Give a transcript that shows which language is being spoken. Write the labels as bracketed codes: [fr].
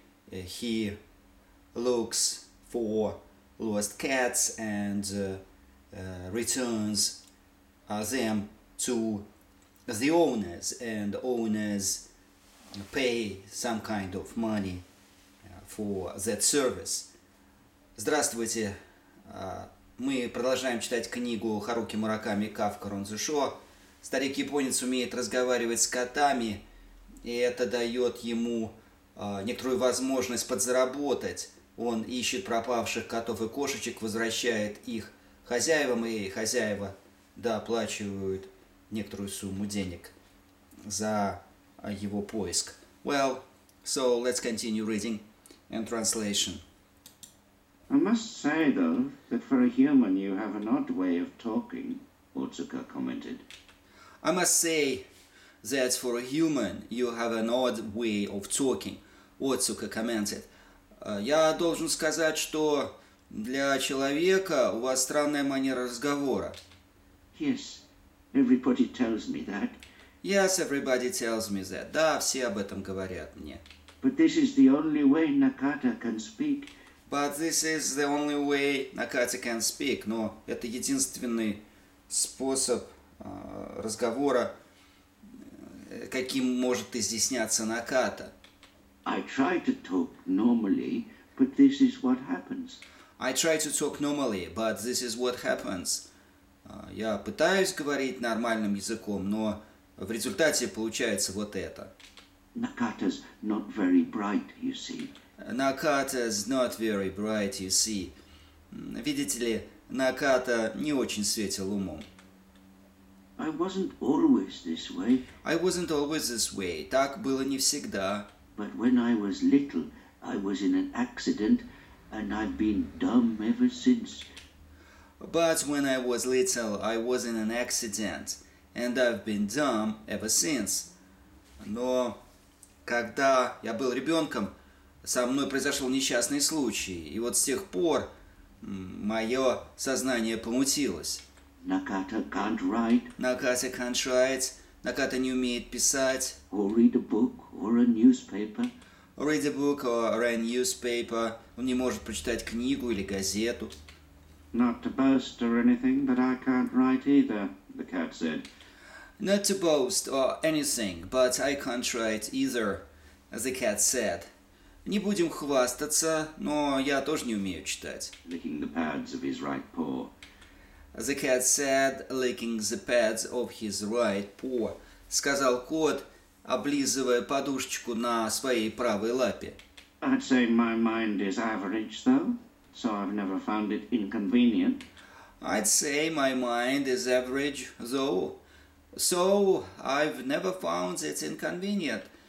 [en] He looks for lost cats and returns them to the owners, and owners pay some kind of money for that service. [ru] Здравствуйте! Мы продолжаем читать книгу Харуки Мураками «Кафка Ронзушо». Старик-японец умеет разговаривать с котами, и это дает ему некоторую возможность подзаработать. Он ищет пропавших котов и кошечек, возвращает их хозяевам, и хозяева доплачивают некоторую сумму денег за его поиск. [en] Well, so let's continue reading and translation. I must say, though, that for a human you have an odd way of talking, Otsuka commented. I must say that for a human you have an odd way of talking, Otsuka commented. [ru] Я должен сказать, что для человека у вас странная манера разговора. [en] Yes, everybody tells me that. Yes, everybody tells me that. [ru] Да, все об этом говорят мне. [en] But this is the only way Nakata can speak. But this is the only way Nakata can speak. [ru] Но это единственный способ разговора, каким может изъясняться Наката. [en] I try to talk normally, but this is what happens. I try to talk normally, but this is what happens. [ru] Я пытаюсь говорить нормальным языком, но в результате получается вот это. [en] Nakata's not very bright, you see. Nakata's not very bright, you see. [ru] Видите ли, Наката не очень светил умом. [en] I wasn't always this way. I wasn't always this way. [ru] Так было не всегда. [en] But when I was little, I was in an accident, and I've been dumb ever since. But when I was little, I was in an accident. And I've been dumb ever since. [ru] Но когда я был ребенком, со мной произошел несчастный случай, и вот с тех пор мое сознание помутилось. [en] Nakata can't write. Nakata can't write. Nakata [ru] не умеет писать. [en] Or read a book or a newspaper. Read a book or a newspaper. [ru] Он не может прочитать книгу или газету. [en] Not to boast or anything, but I can't write either, the cat said. Not to boast or anything, but I can't write either, the cat said. [ru] Не будем хвастаться, но я тоже не умею читать. [en] Licking the pads of his right paw. The cat said, licking the pads of his right paw. [ru] Сказал кот, облизывая подушечку на своей правой лапе. [en] I'd say my mind is average, though, so I've never found it inconvenient. I'd say my mind is average, though. So, I've never found it inconvenient.